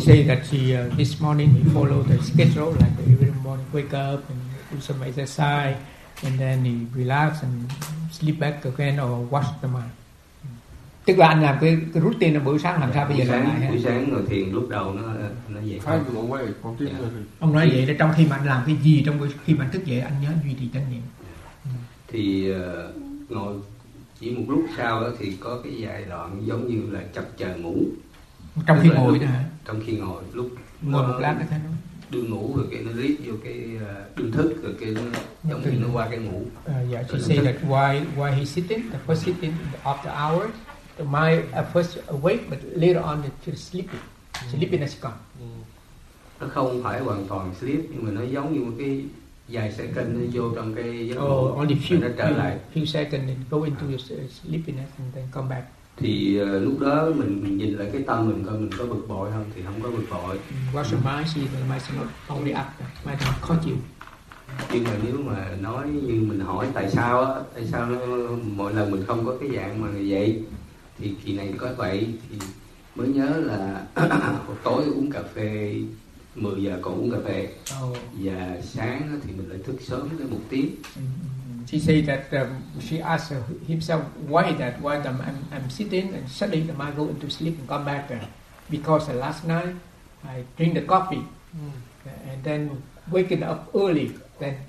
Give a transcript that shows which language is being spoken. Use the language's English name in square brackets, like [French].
[English] said that this morning he followed the schedule, like every morning wake up and do some exercise, and then he relax and sleep back again or wash the mind. [Vietnamese] Tức là anh làm cái routine là buổi sáng làm sao bây giờ sáng, lại buổi sáng ngồi thiền lúc đầu nó vậy. Ông nói vậy là trong khi mà anh làm cái gì, trong khi mà anh thức dậy anh nhớ duy trì chánh niệm. Thì ngồi chỉ một lúc sau đó thì có cái giai đoạn giống như là chập chờn ngủ. Trong khi ngồi đó hả? Trong khi ngồi lúc ngồi một lát nó thấy nó đường ngủ rồi cái nó rít vô cái đường thức rồi cái nó giống như nó qua cái ngủ. [English] Dạ, she said that why he sitting, the first sitting after hours. My first awake, but later on it's sleeping. Sleepiness gone. [Vietnamese] Nó không phải hoàn toàn sleep, nhưng mà nó giống như một cái vài second nó vô trong cái giấc ngủ. [English] Only few seconds and go into your sleepiness and then come back. [Vietnamese] Thì lúc đó mình nhìn lại cái tâm mình coi mình có bực bội không? Thì không có bực bội. [English] Watch your mind, see the mind is not only up, mind is not caught you. [Vietnamese] Nhưng mà nếu mà nói như mình hỏi tại sao nó, mỗi lần mình không có cái dạng mà vậy? Thì kỳ này có vậy thì mới nhớ là tối uống cà phê 10 giờ còn uống cà phê và sáng thì mình lại thức sớm tới 1 tiếng. [English] She said that she asked himself why I'm sitting and suddenly the mind go into sleep and come back because last night I drink the coffee and then waking up early then.